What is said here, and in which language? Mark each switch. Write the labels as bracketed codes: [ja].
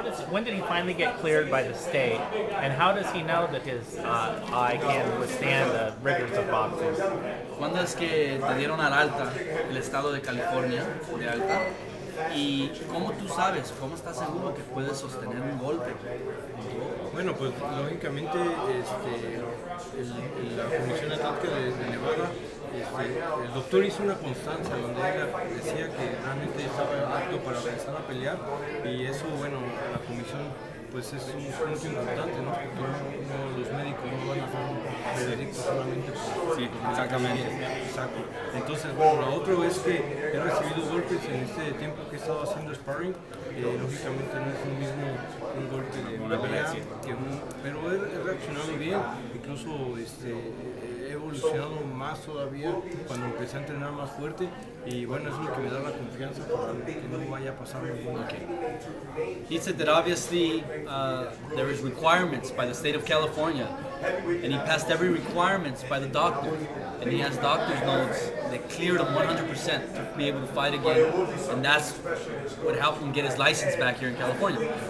[en] When did he finally get cleared by the state, and how does he know that his eye can withstand the rigors of boxing? [es] ¿Cuándo es que te dieron al alta el estado de California de alta? ¿Y cómo tú sabes, cómo estás seguro que puedes sostener un golpe? Bueno, pues lógicamente la Comisión Atlántica de Nevada, el doctor hizo una constancia donde él decía que realmente estaba apto para regresar a pelear y eso, bueno, la comisión pues es un punto importante, ¿no? Porque los médicos no van a hacer un veredicto solamente por... Sí, exactamente. Exacto. Entonces, bueno, lo otro es que he recibido golpes en este tiempo que he estado haciendo sparring. Lógicamente no es el mismo un golpe de pelea, pero he reaccionado bien. Incluso he evolucionado más todavía cuando empecé a entrenar más fuerte. Y bueno, eso es lo que me da la confianza para que no vaya a pasar ningún golpe. [en] He said that obviously there is requirements by the state of California, and he passed every requirements by the doctor, and he has doctor's notes that cleared him 100% to be able to fight again, and that's what helped him get his license back here in California.